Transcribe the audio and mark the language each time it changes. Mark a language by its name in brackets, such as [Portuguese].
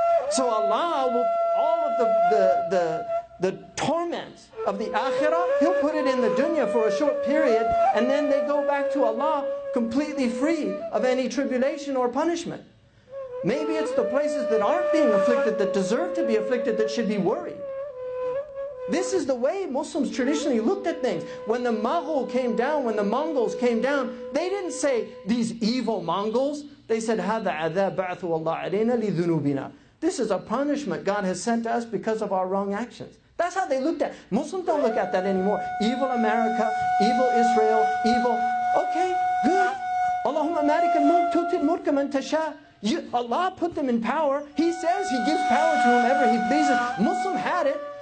[English] So Allah will, all of the torment of the Akhirah, He'll put it in the dunya for a short period, and then they go back to Allah completely free of any tribulation or punishment. Maybe it's the places that aren't being afflicted, that deserve to be afflicted, that should be worried. This is the way Muslims traditionally looked at things. When the Mughal came down, when the Mongols came down, they didn't say, these evil Mongols. They said, [Arabic] هذا عذاب بعث الله علينا لذنوبنا. [English] This is a punishment God has sent to us because of our wrong actions. That's how they looked at it. Muslims don't look at that anymore. Evil America, evil Israel, evil. Okay, good. [Arabic] Allahumma malik al-mulk tu'ti al-mulka man tasha. [English] Allah put them in power. He says He gives power to whomever He pleases. Muslim had it.